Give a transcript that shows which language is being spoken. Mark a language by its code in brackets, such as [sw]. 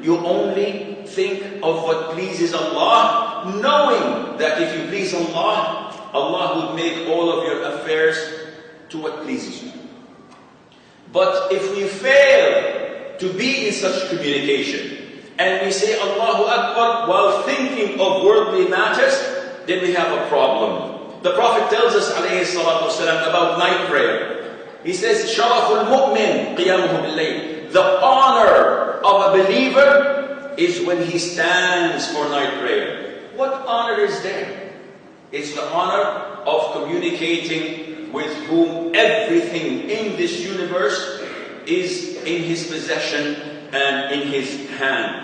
[en] You only think of what pleases Allah, knowing that if you please Allah, Allah would make all of your affairs to what pleases you. But if we fail to be in such communication, and we say Allahu Akbar while thinking of worldly matters, then we have a problem. The Prophet tells us, alayhi salatu wasalam, about night prayer. He says, [ar] شرف المؤمن قيامه بالليل. [en] The honor of a believer is when he stands for night prayer. What honor is there? It's the honor of communicating with whom everything in this universe is in his possession and in his hand.